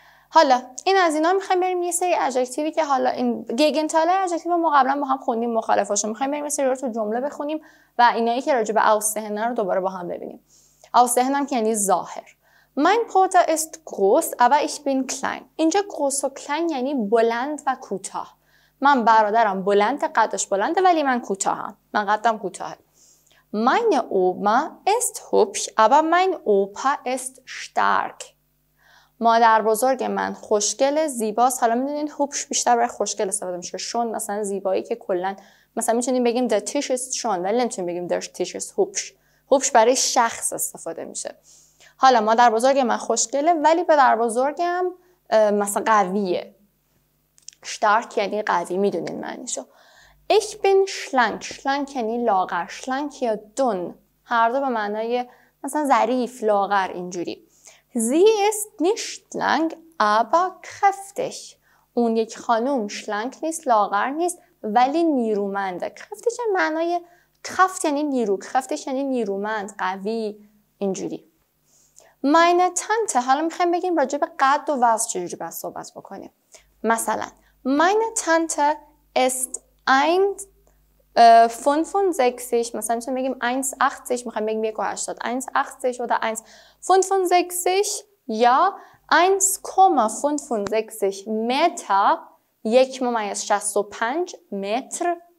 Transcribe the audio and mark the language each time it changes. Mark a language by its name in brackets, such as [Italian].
[Persian] حالا این از اینا میخوایم بریم یه سری ادجکتیوی که حالا این گگنتاله ادجکتیو ما قبلا با هم خوندیم مخالفاشو میخوایم بریم یه سری رو تو جمله بخونیم و اینایی که راجع به آوسهن رو دوباره با هم ببینیم. آوسهن هم که یعنی ظاهر. [German] Mein Porta ist groß, aber ich bin klein. [Persian] اینجا groß و klein یعنی بلند و کوتاه. من برادرم بلند قدش بلنده ولی من کوتاهم. من قدم کوتاهه. [German] Meine Oma ist hübsch, aber mein Opa ist stark. [Persian] مادر بزرگ من خوشگل زیباست. حالا میدونین هوبش بیشتر برای خوشگل استفاده میشه. شون مثلا زیبایی که کلن مثلا میتونیم بگیم در تیش است شون ولی نمیتونیم بگیم در تیش است هوبش. هوبش برای شخص استفاده میشه. حالا مادر بزرگ من خوشگله ولی پدر بزرگم مثلا قویه. شتارک یعنی قوی میدونین معنیشو. ایش بین شلنک. شلنک یعنی لاغر. شلنک یا دون. هر دو به معنای مثلا ظریف لاغر اینجوری. [German] Sie ist nicht schlank, aber kräftig. [Persian] اون یک خانوم شلنگ نیست، لاغر نیست، ولی نیرومنده. کرفتیج معنای کرفت یعنی نیرو، کرفتیج یعنی نیرومند، قوی، اینجوری. [German] Meine Tante، [Persian] حالا میخواییم بگیم راجع به قد و وزن چجوری باید صحبت بکنیم. مثلا، [German] Meine Tante ist 1,65, [Persian] مثلا میتونیم بگیم 1,80، میخواییم بگیم 1,80، 1,80 oder 1,65 یا 1,65 متر 1.65 متر